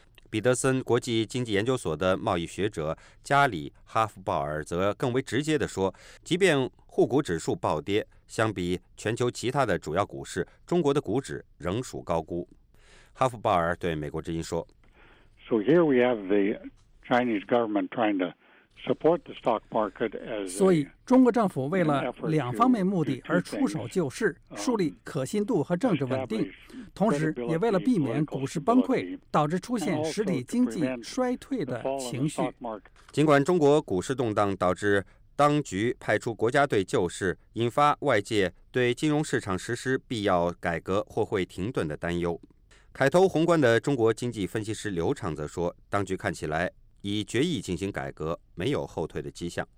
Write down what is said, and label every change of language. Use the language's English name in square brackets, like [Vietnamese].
[Chinese] 彼得森国际经济研究所的贸易学者加里·哈夫鲍尔则更为直接地说，即便沪股指数暴跌，相比全球其他的主要股市，中国的股指仍属高估。哈夫鲍尔对美国之音说， [English] So here we have the Chinese government trying to support the stock market as [Chinese] 所以中国政府为了两方面目的而出手救市，树立可信度和政治稳定，同时也为了避免股市崩溃，导致出现实体经济衰退的情绪。尽管中国股市动荡导致当局派出国家队救市，引发外界对金融市场实施必要改革或会停顿的担忧，凯投宏观的中国经济分析师刘畅则说，当局看起来以决议进行改革，没有后退的迹象。